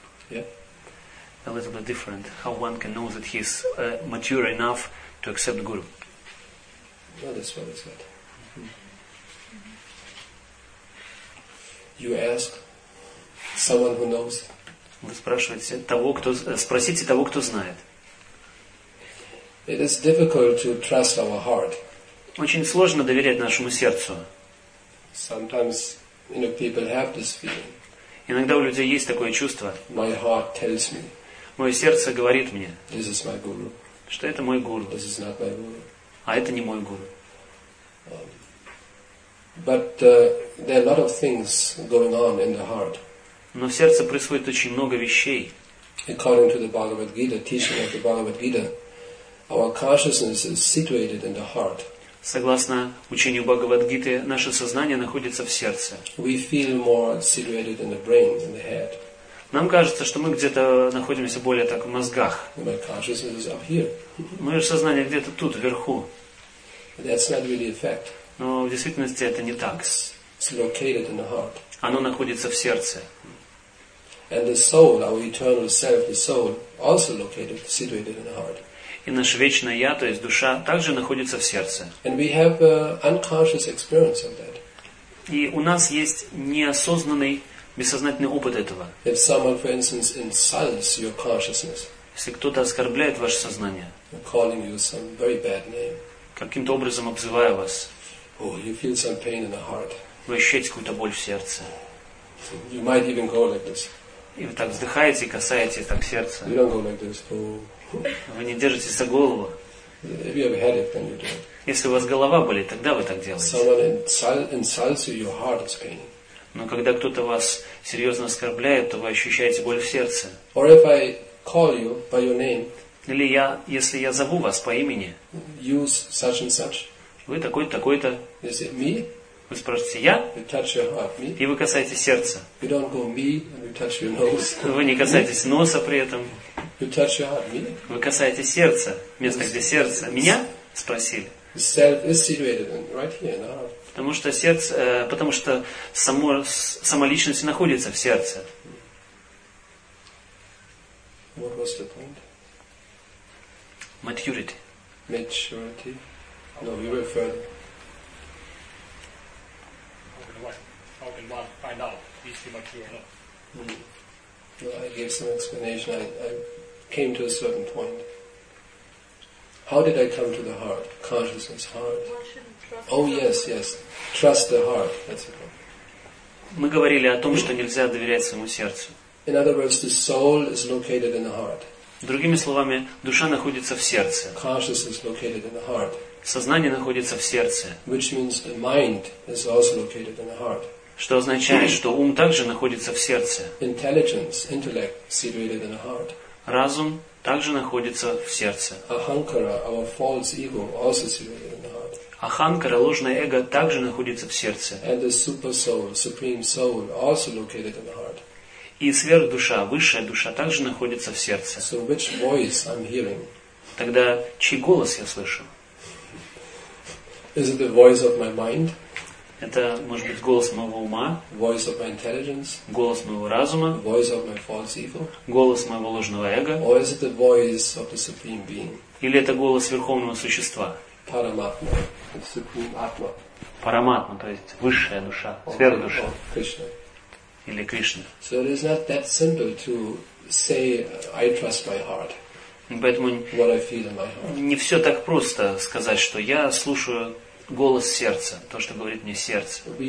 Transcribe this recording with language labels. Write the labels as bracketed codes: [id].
[en] Yeah? A little bit different. How one can know that he's mature enough to accept guru? Well, that's what it's like. Mm-hmm. You ask someone who knows. [ru] Вы спрашиваете того, кто спросите того, кто знает. [en] It is difficult to trust our heart. [ru] Очень сложно доверять нашему сердцу. [en] Sometimes, you know, people have this feeling. [ru] Иногда у людей есть такое чувство. [en] My heart tells me. [ru] Мое сердце говорит мне, [en] this is my guru. [ru] Что это мой гуру. [en] This is not my guru. [ru] А это не мой гуру. [en] But there are a lot of things going on in the heart. [ru] Но в сердце происходит очень много вещей. [en] According to the Bhagavad Gita, teaching of the Bhagavad Gita, our consciousness is situated in the heart. [ru] Согласно учению Бхагавад Гиты, наше сознание находится в сердце. [en] We feel more situated in the brain than the head. [ru] Нам кажется, что мы где-то находимся более так в мозгах. [en] My consciousness is up here. [ru] Мое сознание где-то тут, вверху. [en] But that's not really a fact. [ru] Но в действительности это не так. [en] It's located in the heart. [ru] Оно находится в сердце. [en] And the soul, our eternal self, the soul, also located, situated in the heart. [ru] И наше вечное я, то есть душа, также находится в сердце. [en] And we have an unconscious experience of that. [ru] И у нас есть неосознанный бессознательный опыт этого. [en] If someone, for instance, insults your consciousness, [ru] если кто-то оскорбляет ваше сознание, [en] calling you some very bad name, [ru] каким-то образом обзывая вас, [en] oh, you feel some pain in the heart. [ru] Вы ощущаете какую-то боль в сердце. [en] You might even go like this. [ru] И вы так вздыхаете и касаете так сердца. [en] You don't go like this. Oh. [ru] Вы не держите за голову. [en] If you have a headache, then you do it. [ru] Если у вас голова болит, тогда вы так делаете. [en] Someone insults you, your heart is paining. [ru] Но когда кто-то вас серьезно оскорбляет, то вы ощущаете боль в сердце. [en] Or if I call you by your name, [ru] или я, если я зову вас по имени, [en] you such and such. [ru] Вы такой-то, такой-то. [en] Is it me? [ru] Вы спрашиваете, я? [en] You touch your heart, me? [ru] И вы касаетесь сердца. [en] You don't go, me, and you touch your nose. [ru] Вы не касаетесь носа при этом. [en] You touch your heart, me? [ru] Вы касаетесь сердца, место, где сердце. Меня? Спросили. [en] Self is situated right here in the heart. [ru] Потому что сердце, потому что сама личность находится в сердце. [en] What was the point? Maturity. Maturity? No, you were further. How can one find out if he's mature or not? Mm. Well, I gave some explanation. I came to a certain point. How did I come to the heart? Consciousness, heart. Oh, yes, yes. Trust the heart. That's it. [ru] Мы говорили о том, что нельзя доверять своему сердцу. [en] In other words, the soul is located in the heart. [ru] Другими словами, душа находится в сердце. [en] Consciousness is located in the heart. [ru] Сознание находится в сердце. [en] Which means the mind is also located in the heart. [ru] Что означает, что ум также находится в сердце. [en] Intelligence, intellect situated in the heart. [ru] Разум также находится в сердце. [en] Ahankara, our false ego, also situated in the heart. [ru] Аханкара, ложное эго, также находится в сердце. [en] And the super soul, supreme soul, also located in the heart. [ru] И сверхдуша, высшая душа, также находится в сердце. [en] So which voice I'm hearing? [ru] Тогда чей голос я слышу? [en] Is it the voice of my mind? [ru] Это, может быть, голос моего ума, [en] voice of my intelligence, [ru] голос моего разума, [en] voice of my false ego, [ru] голос моего ложного эго, [en] or is it the voice of the supreme being, [ru] или это голос Верховного Существа, [en] Paramatma, the supreme Atma. [ru] Paramatma, то есть высшая душа, сверхдуша, [en] Krishna. [ru] Или Кришна. [en] So it is not that simple to say, I trust my heart. [ru] Поэтому не все так просто сказать, что я слушаю голос сердца, то, что говорит мне сердце.